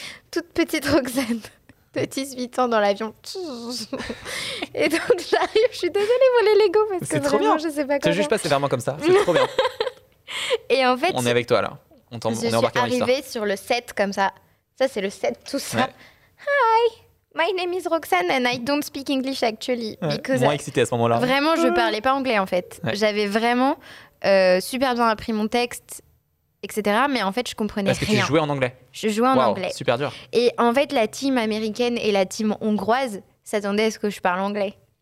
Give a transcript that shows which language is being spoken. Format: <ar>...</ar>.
<fr>Toute petite Roxane, de 18 ans, dans l'avion. Et donc, j'arrive, je suis désolée pour les Legos, parce c'est que vraiment, je sais pas quoi. Je te juge pas sévèrement comme ça, c'est trop bien. Et en fait... On est avec toi, là. Je suis arrivée sur le set, comme ça. Ça, c'est le set, tout ça. Ouais.</fr> <en>Hi, my name is Roxane and I don't speak English actually.</en> <fr>Ouais. Moins excitée à ce moment-là. Vraiment, je parlais pas anglais, en fait. Ouais. J'avais vraiment super bien appris mon texte, etc. Mais en fait, je comprenais rien. Parce que tu jouais en anglais. Je jouais en anglais. Super dur. Et en fait, la team américaine et la team hongroise s'attendaient à ce que je parle anglais.</fr>